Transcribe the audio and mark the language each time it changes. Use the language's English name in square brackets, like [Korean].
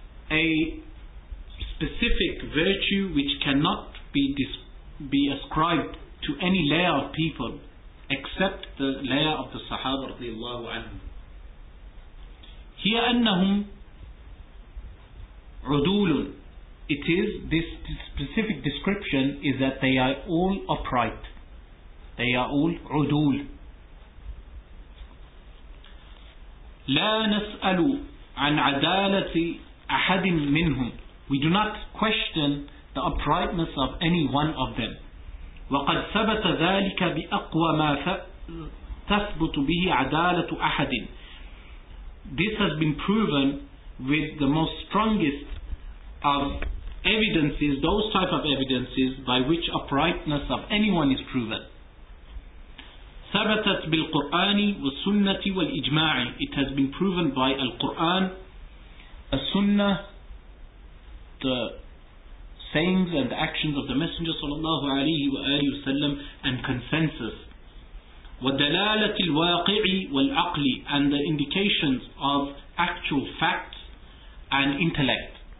[English] A specific virtue which cannot be ascribed to any layer of people except the layer of the Sahaba رضي الله عنهم. [Arabic] هي أنهم عدول. [English] It is, this specific description is that they are all upright. They are all عدول. [Arabic] لا نسأل عن عدالة أحد منهم. [English] We do not question the uprightness of any one of them. [Arabic] وقد ثبت ذلك بأقوى ما تثبت به عدالة أحد. [English] This has been proven with the most strongest of evidences, those type of evidences by which uprightness of anyone is proven. [Arabic] ثبتت بالقرآن والسنة والإجماع. [English] It has been proven by Al-Quran, As-Sunnah, the sayings and the actions of the Messenger sallallahu alayhi wa alihi wa sallam and consensus. [Arabic] وَدَلَالَةِ الْوَاقِعِ وَالْعَقْلِ [English] and the indications of actual facts and intellect.